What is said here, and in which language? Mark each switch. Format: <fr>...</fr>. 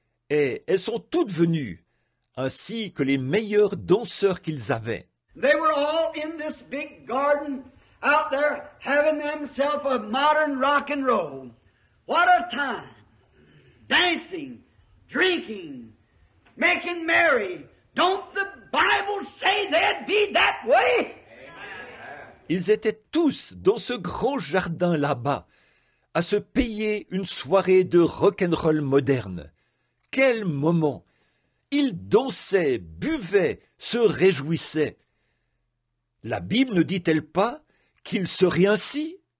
<fr>Et elles sont toutes venues, ainsi que les meilleurs danseurs qu'ils avaient.</fr> <en>They were all in this big garden, out there, having themselves a modern rock and roll. What a time! Dancing, drinking, making merry. Don't the Bible say they'd be that way? Amen.</en> <fr>Ils étaient tous dans ce grand jardin là-bas, à se payer une soirée de rock'n'roll moderne. Quel moment! Ils dansaient, buvaient, se réjouissaient. La Bible ne dit-elle pas qu'il serait ainsi?</fr>